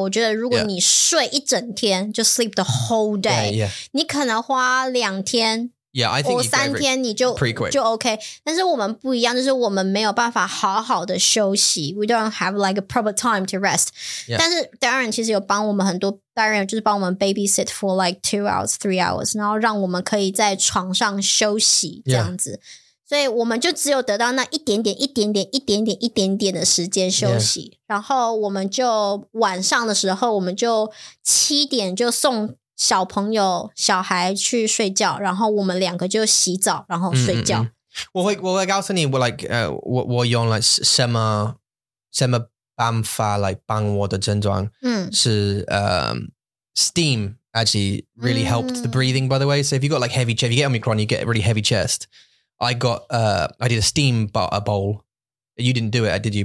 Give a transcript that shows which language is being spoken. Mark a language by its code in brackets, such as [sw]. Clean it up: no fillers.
[zh] 对，我觉得如果你是没有孩子，然后你也不需要工，你可以请假，你不需要工作的话，我觉得如果你睡一整天 [en] yeah. just sleep the whole day, yeah. [zh] 你可能花两天, [en] yeah, I think [zh] or 三天你就 [en] pretty quick. [zh] 就 OK. 但是我们不一样，就是我们没有办法好好的休息. [en] We don't have like a proper time to rest. Yeah. [zh] 但是 Darren 其实有帮我们很多, Darren 就是帮我们 babysit for like 2 hours, 3 hours, 然后让我们可以在床上休息这样子。 [en] Yeah. [zh] 所以我们就只有得到那一点点的时间休息。 [en] Yeah. [zh] 然后我们就晚上的时候，我们就七点就送 小朋友小孩去睡觉，然后我们两个就洗澡，然后睡觉。我会告诉你， [en] mm-hmm. 我 like 我用 like 什么办法 like 帮我的症状是 steam actually really helped the breathing. By the way, so if you got like heavy chest, if you get Omicron, you get a really heavy chest. I got, I did a steam bowl. You didn't do it, did you?